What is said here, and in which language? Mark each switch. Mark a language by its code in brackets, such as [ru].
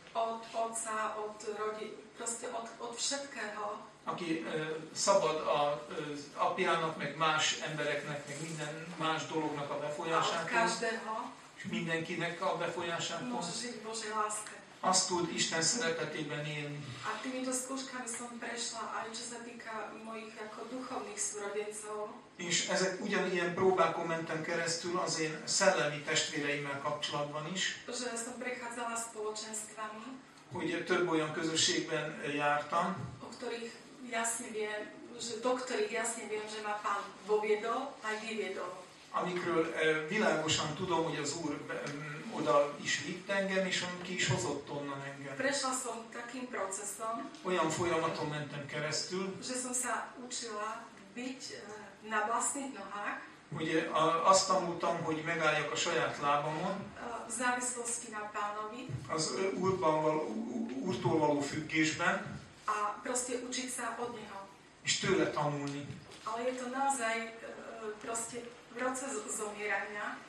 [sk] Od otca, od rodi, proste od všetkého. [hu] Aki szabad az apjának, meg más embereknek, meg minden más dolognak a befolyásától. [sk] Od každého. [hu] És mindenkinek a befolyásától. [sk] Môže žiť Božej láske. [hu] Azt tud Isten szeretetében élni. [sk] A týmito skúškami som prešla aj čo sa týka mojich ako duchovných súrodencov. [hu] És ezek ugyanilyen próbákon mentem keresztül az én szellemi testvéreimmel kapcsolatban is. [sk] Že som prechádzala spoločenstvami. [hu] Hogy több olyan közösségben jártam. [sk] O ktorých jasne viem, že do ktorých jasne viem, že ma Pán voviedol a vyviedol. [hu] Amikről világosan tudom, hogy az Úr oda is vitt engem, és ki is hozott onnan engem. [sk] Prešla som takým procesom. [hu] Olyan folyamaton mentem keresztül. [sk] Že som sa učila byť na vlastných nohách. [hu] Hogy azt tanultam, hogy megálljak a saját lábamon. [sk] V závislosti na Pánovi. [hu] Az Úrban való, Úrtól való függésben. [sk] A proste učiť sa od Neho. [hu] És tőle tanulni. [sk] Ale je to naozaj proste proces zomierania.